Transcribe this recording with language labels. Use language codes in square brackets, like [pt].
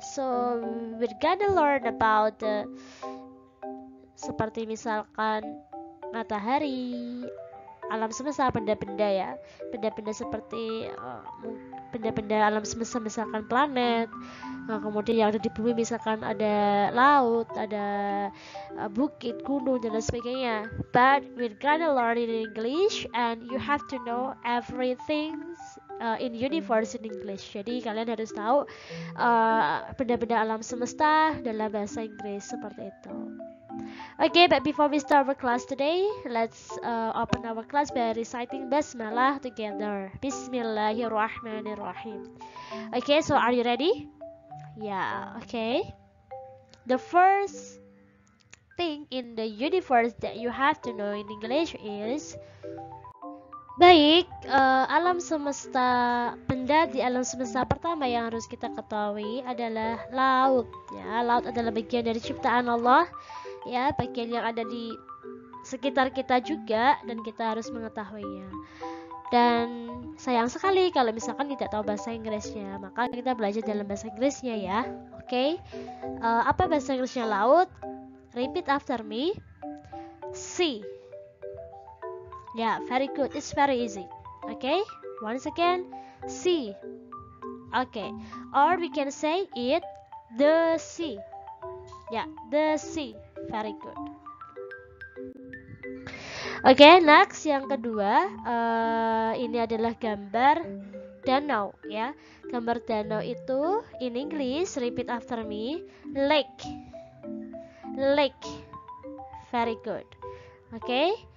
[en] So we're gonna learn about [id] seperti misalkan matahari, alam semesta, benda-benda ya, benda-benda seperti benda-benda alam semesta, misalkan planet, kemudian yang ada di bumi, misalkan ada laut, ada bukit, gunung, dan sebagainya. [en] But we're gonna learn in English, and you have to know everything in universe in English. [id] Jadi kalian harus tahu benda-benda alam semesta dalam bahasa Inggris seperti itu. [en] Okay, but before we start our class today, let's open our class by reciting basmalah together. Bismillahirrahmanirrahim. Okay, so are you ready? Yeah, okay. The first thing in the universe that you have to know in English is... [id] Baik, alam semesta, benda di alam semesta pertama yang harus kita ketahui adalah laut. Ya, laut adalah bagian dari ciptaan Allah. Ya, bagian yang ada di sekitar kita juga, dan kita harus mengetahuinya. Dan sayang sekali kalau misalkan tidak tahu bahasa Inggrisnya, maka kita belajar dalam bahasa Inggrisnya ya. Oke, apa bahasa Inggrisnya laut? [en] Repeat after me. Sea. Yeah, very good, it's very easy. Oke, once again. Sea. Oke, or we can say it the sea. Yeah, the sea. Very good. [id] Oke, okay, next yang kedua, ini adalah gambar danau ya. Gambar danau itu [en] in English, repeat after me, lake. Lake. Very good. Oke.